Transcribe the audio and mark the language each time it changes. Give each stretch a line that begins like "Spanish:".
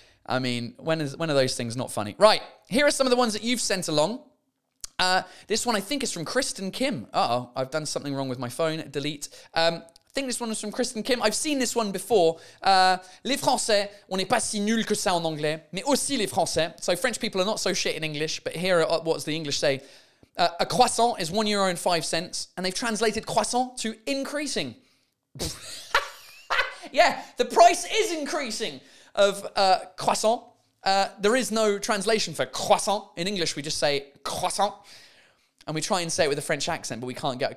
English: I mean, when are those things not funny? Right, here are some of the ones that you've sent along. This one I think is from Kristen Kim. Uh-oh, I've done something wrong with my phone, delete. I think this one is from Kristen Kim. I've seen this one before.
French: Les Français, on n'est pas si nul que ça en anglais, mais aussi les Français.
English: So French people are not so shit in English, but here are what's the English say. A croissant is €1.05, and they've translated croissant to increasing. Yeah, the price is increasing of croissant. There is no translation for croissant. In English, we just say croissant, and we try and say it with a French accent, but we can't get it.